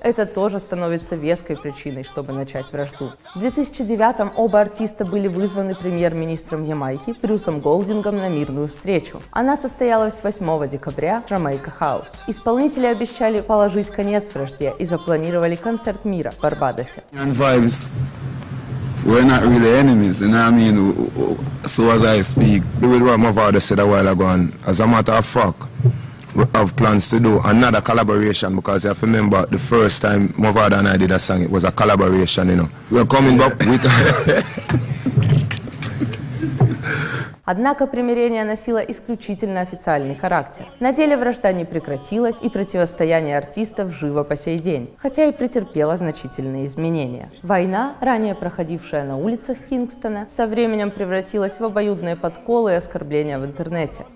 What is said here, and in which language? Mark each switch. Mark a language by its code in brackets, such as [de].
[ru] Это тоже становится веской причиной, чтобы начать вражду. В 2009-м оба артиста были вызваны премьер-министром Ямайки Брюсом Голдингом на мирную встречу. Она состоялась 8 декабря в Jamaica House. Исполнители обещали положить конец вражде и запланировали концерт мира в Барбадосе. [en] We're not really enemies, you know what I mean? So as I speak, with what Mavada said a while ago, as a matter of fact, we have plans to do another collaboration because you have to remember the first time Mavada and I did a song, it was a collaboration, you know. We're coming back with... [ru] Однако примирение носило исключительно официальный характер. На деле вражда не прекратилась, и противостояние артистов живо по сей день, хотя и претерпело значительные изменения. Война, ранее проходившая на улицах Кингстона, со временем превратилась в обоюдные подколы и оскорбления в интернете.